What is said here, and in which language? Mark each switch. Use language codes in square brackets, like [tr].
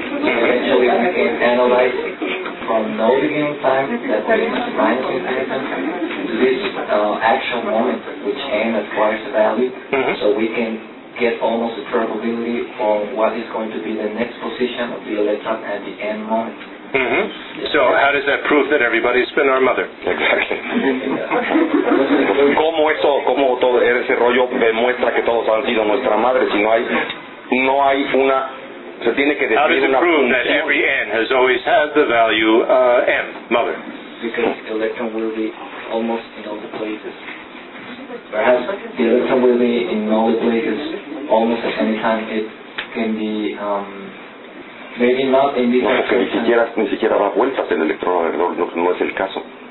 [en] So eventually we can analyze from no beginning time that we minus infinitum to this actual moment which n acquires a value. Mm-hmm. So we can get almost a probability on what is going to be the next position of the electron at the n moment. Mm-hmm. So how does that prove that everybody's been our mother? Exactly. [es] ¿Cómo eso, cómo todo ese rollo demuestra que todos han sido nuestra madre? Si no hay una, se tiene que definir una función. [en] How does it prove that every N has always had the value M, mother? Because the electron will be almost in all the places. Perhaps the electron will be in all the places almost at any time. It can be... Maybe not in this [es] no, ni siquiera da vueltas el electrón, no es el caso.